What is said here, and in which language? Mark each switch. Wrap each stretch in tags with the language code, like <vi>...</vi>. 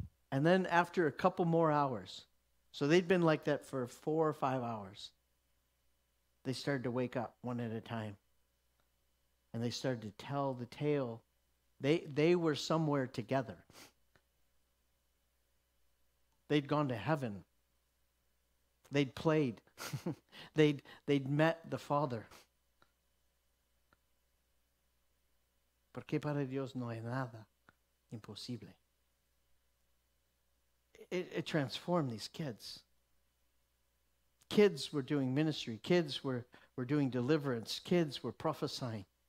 <en>And then after a couple more hours, so they'd been like that for 4 or 5 hours, they started to wake up one at a time, and they started to tell the tale. They were somewhere together. They'd gone to heaven. They'd played. They'd met the Father.</en> <es>Porque para Dios no hay nada imposible.</es> <en>It transformed these kids. Kids were doing ministry. Kids were doing deliverance. Kids were prophesying.</en>